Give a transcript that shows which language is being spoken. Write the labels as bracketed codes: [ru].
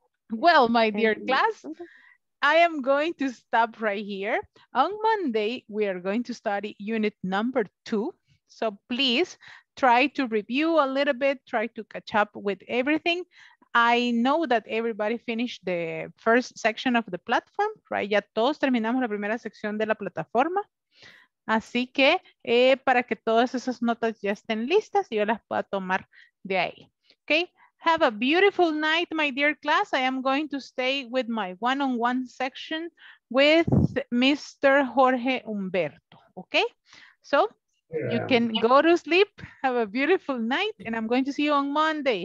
[en] Well, my dear class, I am going to stop right here. On Monday, we are going to study unit number 2. So please try to review a little bit, try to catch up with everything. I know that everybody finished the first section of the platform, right? [es] Ya todos terminamos la primera sección de la plataforma. Así que para que todas esas notas ya estén listas, yo las pueda tomar de ahí. [en] Okay. Have a beautiful night, my dear class. I am going to stay with my one-on-one section with Mr. Jorge Humberto. Okay. So you can go to sleep. Have a beautiful night. And I'm going to see you on Monday.